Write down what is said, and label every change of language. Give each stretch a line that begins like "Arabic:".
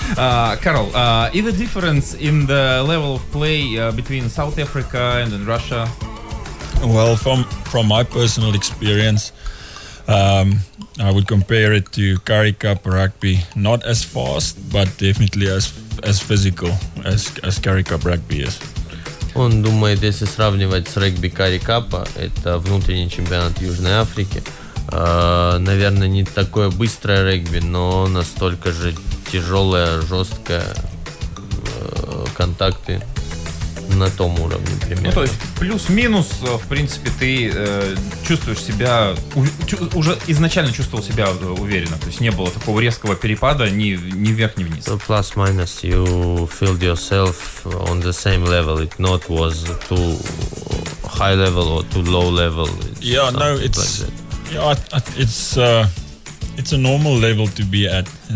English: Карл, is the difference in the level of play between South Africa and in Russia? Well, from my personal experience, I would compare it to Currie Cup rugby. Not as fast, but definitely as physical as Currie Cup rugby is.
Russian: Он думает, если сравнивать с регби Currie Cup, это внутренний чемпионат Южной Африки, наверное, не такое быстрое регби, но настолько же тяжелое, жесткое, контакты на том уровне примерно. Ну, то есть плюс-минус, в принципе, ты чувствуешь себя, уже изначально чувствовал себя уверенно, то есть не было такого резкого перепада ни вверх, ни вниз.
English: So plus-minus, you feel yourself on the same level, it not was too high level or too low level. It's yeah, no, it's, like yeah, it's a normal level to be at.